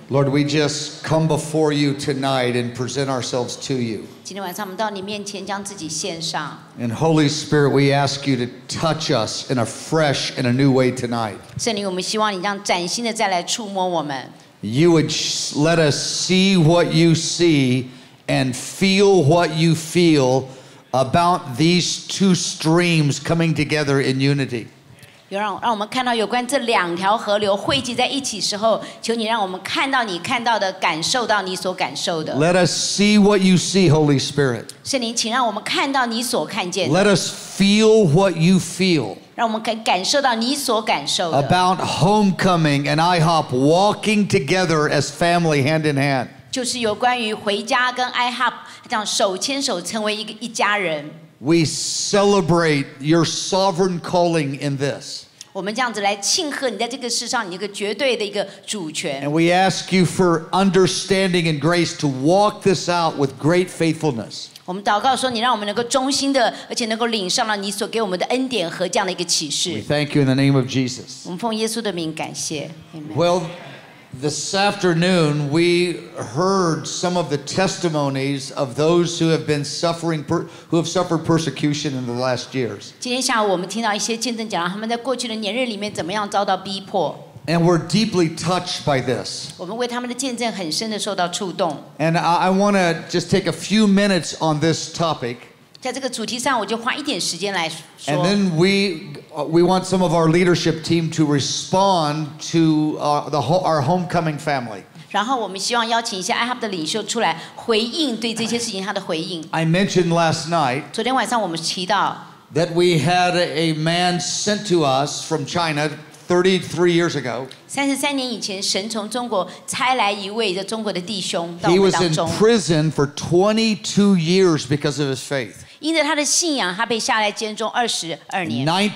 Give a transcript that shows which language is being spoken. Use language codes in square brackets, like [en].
[en] Lord, we just come before you tonight and present ourselves to you. [zh] 今天晚上我们到你面前将自己献上。 [en] And Holy Spirit, we ask you to touch us in a fresh and a new way tonight. [zh] 圣灵，我们希望你将崭新的再来触摸我们。 [en] You would let us see what you see and feel what you feel about these two streams coming together in unity. [zh] 让我们看到有关这两条河流汇集在一起时候，求你让我们看到你看到的，感受到你所感受的。 [en] Let us see what you see, Holy Spirit. [zh] 圣灵，请让我们看到你所看见的。 [en] Let us feel what you feel. [zh] 让我们感感受到你所感受的。 [en] About homecoming and IHOP walking together as family hand in hand. [zh] 就是有关于回家跟 IHOP 这样手牵手成为一家人。 [en] We celebrate your sovereign calling in this. [zh] 我们这样子来庆贺你在这个世上你一个绝对的一个主权。 [en] And we ask you for understanding and grace to walk this out with great faithfulness. [zh] 我们祷告说，你让我们能够忠心的，而且能够领上了你所给我们的恩典和这样的一个启示。 [en] We thank you in the name of Jesus. [zh] 我们奉耶稣的名感谢。 [en] Well, this afternoon we heard some of the testimonies of those who have been suffering, who have suffered persecution in the last years. [zh] 今天下午我们听到一些见证，讲到他们在过去的年日里面怎么样遭到逼迫。 [en] And we're deeply touched by this. [zh] 我们为他们的见证很深的受到触动。 [en] And I want to just take a few minutes on this topic. [zh] 在这个主题上，我就花一点时间来说。 [en] And then we want some of our leadership team to respond to our homecoming family. [zh] 然后我们希望邀请一些 IHOP 的领袖出来回应对这些事情他的回应。 [en] I mentioned last night. [zh] 昨天晚上我们提到。 [en] That we had a man sent to us from China. 33 years ago, [zh] 33年以前，神从中国差来一位的中国的弟兄到我们当中。 [en] He was in prison for 22 years because of his faith. [zh] 因着他的信仰，他被下来监中22年。